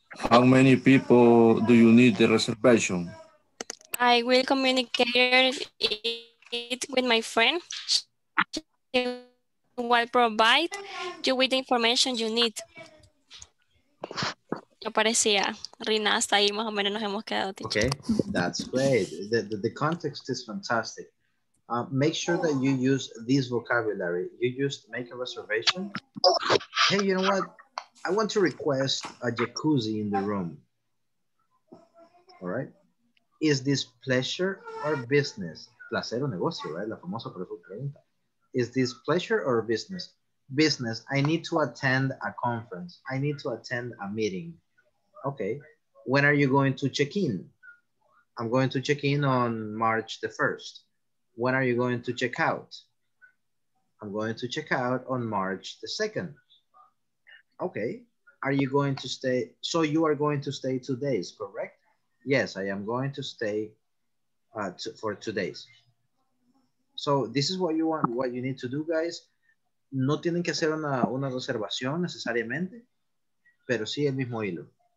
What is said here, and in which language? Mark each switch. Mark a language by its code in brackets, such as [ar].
[en] How many people do you need the reservation? I will communicate it with my friend. She will provide you with the information you need. [es] Aparecía Rina, hasta ahí más o menos nos hemos quedado. [en] Okay, that's great. The context is fantastic. Make sure that you use this vocabulary. You used make a reservation. Hey, you know what? I want to request a jacuzzi in the room. All right. Is this pleasure or business? [es] Placer o negocio, [en] right? [es] La famosa pregunta. [en] Is this pleasure or business? Business, I need to attend a conference. I need to attend a meeting. Okay, when are you going to check in? I'm going to check in on March the 1st. When are you going to check out? I'm going to check out on March the 2nd. Okay, are you going to stay? So you are going to stay 2 days, correct? Yes, I am going to stay for 2 days. So this is what you want, what you need to do, guys. [es] No tienen que hacer una reservación necesariamente, pero sí el mismo hilo.